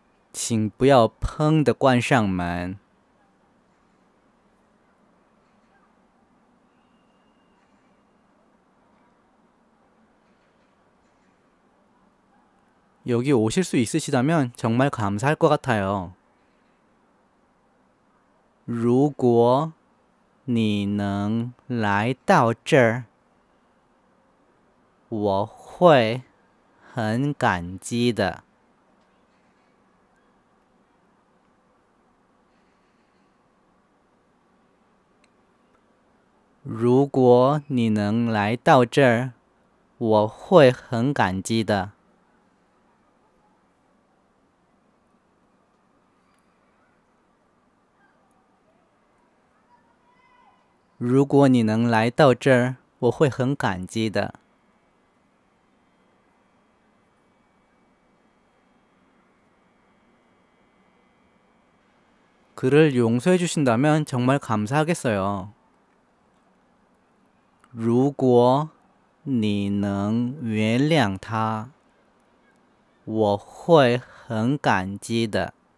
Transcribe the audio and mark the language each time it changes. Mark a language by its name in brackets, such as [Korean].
[Chinese] 请不要砰的关上门。 [Korean] 여기 오실 수 있으시다면 정말 감사할 것 같아요. [Chinese] 如果你能来到这儿，我会很感激的。如果你能来到这儿，我会很感激的。如果你能来到这儿，我会很感激的。 [Korean] 그를 용서해 주신다면 정말 감사하겠어요. [Chinese] 如果你能原谅他，我会很感激的。